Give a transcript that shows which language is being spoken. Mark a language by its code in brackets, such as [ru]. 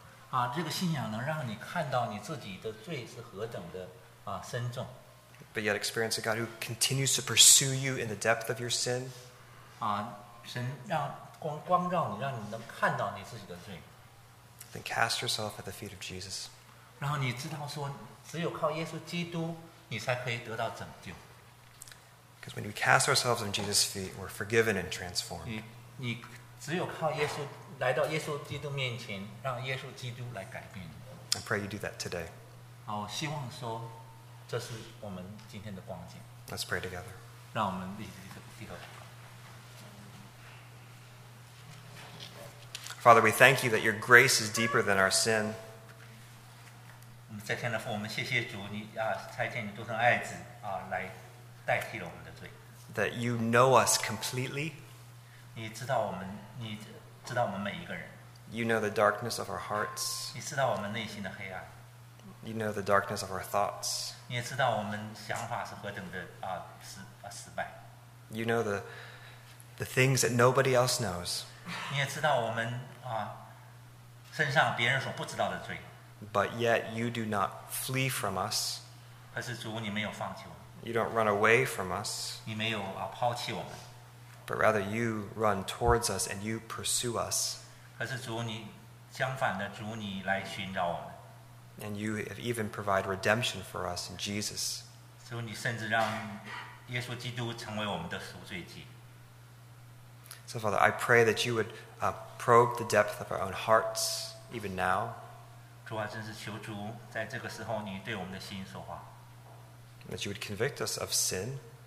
[zh] 啊，这个信仰能让你看到你自己的罪是何等的啊深重。 [en] But yet experience a God who continues to pursue you in the depth of your sin. [zh] 啊，神让光照你，让你能看到你自己的罪。 [en] Then cast yourself at the feet of Jesus. [zh] 然后你知道说，只有靠耶稣基督，你才可以得到拯救。 [en] Because when we cast ourselves on Jesus' feet, we're forgiven and transformed. [zh] 你只有靠耶稣来到耶稣基督面前，让耶稣基督来改变你。 [en] I pray you do that today. [zh] 好，希望说这是我们今天的光景。 [en] Let's pray together. [zh] 让我们立刻。 [en] Father, we thank you that your grace is deeper than our sin. [zh] 我们在天的父，我们谢谢主，你啊差遣你独生爱子啊来代替了我们的罪。 [en] That you know us completely. [zh] 你知道我们，你知道我们每一个人。 [en] You know the darkness of our hearts. [zh] 你知道我们内心的黑暗。 [en] You know the darkness of our thoughts. [zh] 你也知道我们想法是何等的啊失败。 [en] You know the things that nobody else knows. [zh] 你也知道我们啊身上别人所不知道的罪。 [en] But yet you do not flee from us. [zh] 可是主，你没有放弃我们。 [en] You don't run away from us. [zh] 你没有啊抛弃我们。 [en] But rather, you run towards us and you pursue us. [zh] 可是主你相反的，主你来寻找我们。 [en] And you have even provided redemption for us in Jesus. [zh] 主你甚至让耶稣基督成为我们的赎罪祭。 [en] So Father, I pray that you would probe the depth of our own hearts even now. [zh] 主啊，真是求主在这个时候你对我们的心说话。 [en] That you would convict us of sin.